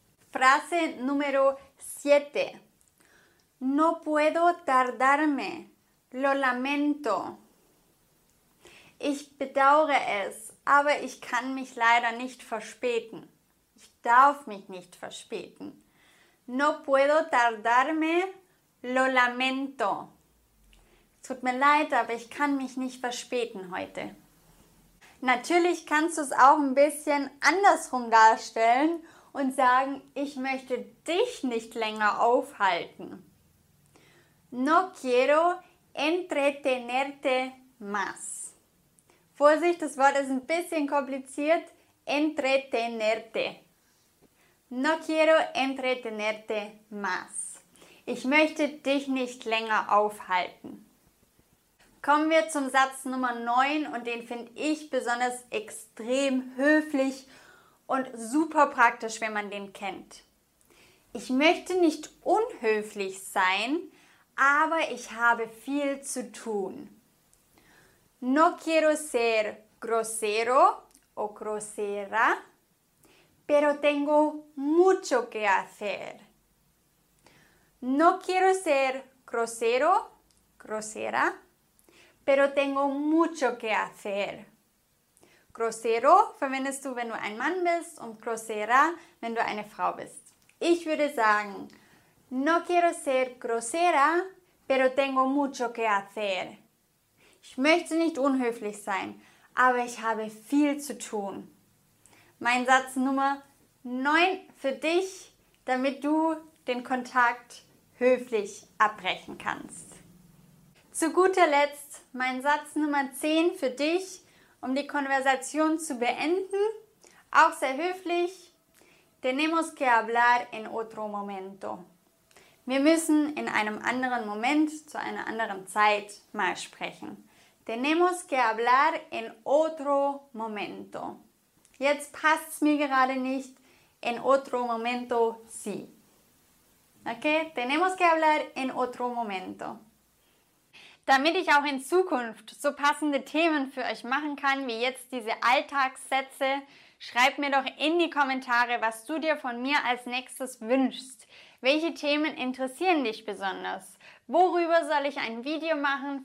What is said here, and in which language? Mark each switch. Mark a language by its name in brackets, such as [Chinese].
[Spanish] Frase número 7. No puedo tardarme. Lo lamento. [German] Ich bedauere es, aber ich kann mich leider nicht verspäten. Ich darf mich nicht verspäten. [Spanish] No puedo tardarme, lo lamento. [German] Tut mir leid, aber ich kann mich nicht verspäten heute. Natürlich kannst du es auch ein bisschen andersrum darstellen und sagen, ich möchte dich nicht länger aufhalten. [Spanish] No quiero entretenerte más. [German] Vorsicht, das Wort ist ein bisschen kompliziert. [Spanish] Entretenerte. No quiero entretenerte más. [German] Ich möchte dich nicht länger aufhalten. Kommen wir zum Satz Nummer 9 und den finde ich besonders extrem höflich und super praktisch, wenn man den kennt. Ich möchte nicht unhöflich sein, aber ich habe viel zu tun. [Spanish] No quiero ser grosero o grosera, pero tengo mucho que hacer. No quiero ser grosero, grosera, pero tengo mucho que hacer. [German] Grosero verwendest du, wenn du ein Mann bist, und grosera, wenn du eine Frau bist. Ich würde sagen, [Spanish] no quiero ser grosera, pero tengo mucho que hacer. [German] Ich möchte nicht unhöflich sein, aber ich habe viel zu tun. mein Satz Nummer 9 für dich, damit du den Kontakt höflich abbrechen kannst. Zu guter Letzt mein Satz Nummer 10 für dich, um die Konversation zu beenden. Auch sehr höflich. [Spanish] Tenemos que hablar en otro momento. [German] Wir müssen in einem anderen Moment, zu einer anderen Zeit mal sprechen. [Spanish] Tenemos que hablar en otro momento. [German] Jetzt passt es mir gerade nicht. [Spanish] En otro momento, sí. Okay? Tenemos que hablar en otro momento. [German] Damit ich auch in Zukunft so passende Themen für euch machen kann, wie jetzt diese Alltagssätze, schreib mir doch in die Kommentare, was du dir von mir als nächstes wünschst. Welche Themen interessieren dich besonders? Worüber soll ich ein Video machen?